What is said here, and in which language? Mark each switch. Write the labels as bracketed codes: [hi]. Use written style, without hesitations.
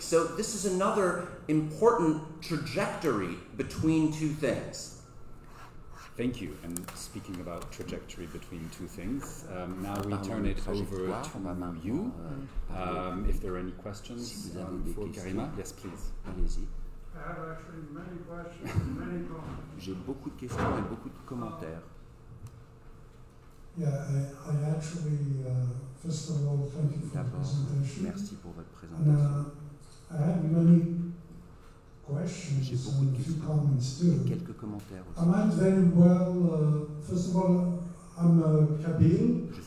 [en] So this is another important trajectory between two things. Thank you. And speaking about trajectory between two things, now we turn it over to you. If there are any questions for Karima, yes, please. I have actually many questions and many comments. [fr] J'ai beaucoup de questions et beaucoup de commentaires. [en] Yeah, I actually, first of all, thank you for the presentation. [fr] Merci pour votre présentation. [en] I have many questions and a few comments too. [fr] Et quelques commentaires aussi. [en] I might very well, first of all, I'm a Kabyle,